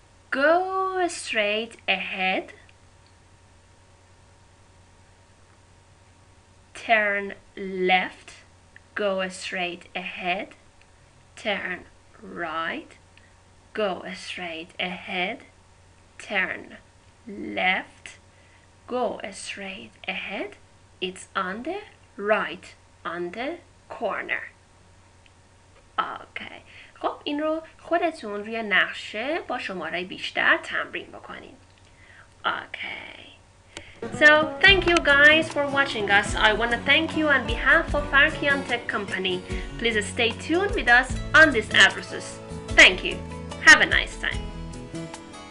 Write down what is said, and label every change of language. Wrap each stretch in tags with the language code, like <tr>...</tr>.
<en>Go straight ahead, turn left, go straight ahead. Turn right, go straight ahead, turn left, go straight ahead, it's on the right, on the corner. Okay.</en> <fa>خب این رو خودتون روی نقشه با شماره بیشتر تمرین بکنید.</fa> <en>Okay. So, thank you guys for watching us. I want to thank you on behalf of Farkiantech Company. Please stay tuned with us on these addresses. Thank you. Have a nice time.</en>